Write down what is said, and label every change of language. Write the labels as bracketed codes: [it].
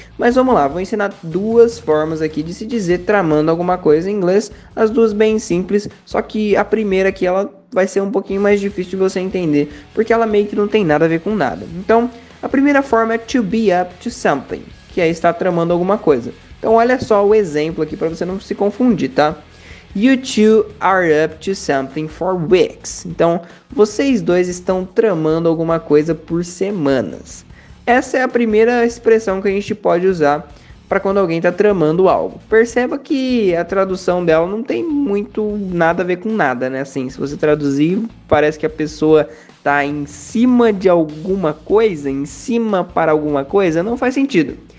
[pt] Mas vamos lá, vou ensinar 2 formas aqui de se dizer tramando alguma coisa em inglês, as 2 bem simples, só que a primeira aqui, ela vai ser um pouquinho mais difícil de você entender, porque ela meio que não tem nada a ver com nada. Então, a primeira forma é [en] to be up to something, [pt] que é estar tramando alguma coisa. Então, olha só o exemplo aqui pra você não se confundir, tá? [en] You two are up to something for weeks. [pt] Então, vocês dois estão tramando alguma coisa por semanas. Essa é a primeira expressão que a gente pode usar para quando alguém está tramando algo. Perceba que a tradução dela não tem muito nada a ver com nada, né? Assim, se você traduzir, parece que a pessoa está em cima de alguma coisa, em cima para alguma coisa, não faz sentido.